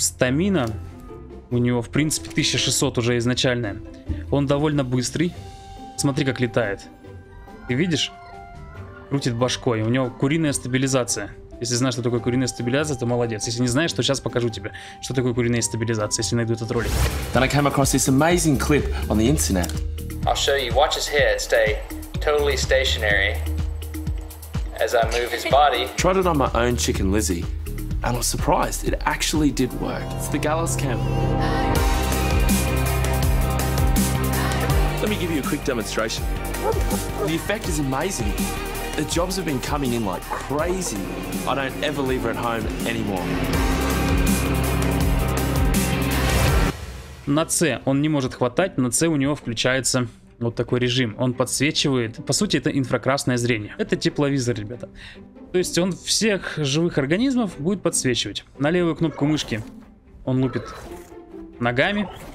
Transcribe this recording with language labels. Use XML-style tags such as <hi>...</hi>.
<ru>Стамина у него, в принципе, 1600 уже изначальная. Он довольно быстрый. Смотри, как летает. Ты видишь? крутит башкой. У него куриная стабилизация. Если знаешь, что такое куриная стабилизация, то молодец. Если не знаешь, то сейчас покажу тебе, что такое куриная стабилизация, если найду этот ролик.</ru> <en>Then I came across this amazing clip on the internet. I'll show you, watch his head stay totally stationary as I move his body. Tried it on my own chicken Lizzie, and I was surprised it actually did work. It's the Gallus Cam. Let me give you a quick demonstration. The effect is amazing. The jobs have been coming in like crazy. I don't ever leave her at home anymore.</en> <ru>На C он не может хватать, на C у него включается вот такой режим. Он подсвечивает, по сути, это инфракрасное зрение. Это тепловизор, ребята. То есть он всех живых организмов будет подсвечивать. На левую кнопку мышки он лупит ногами.</ru>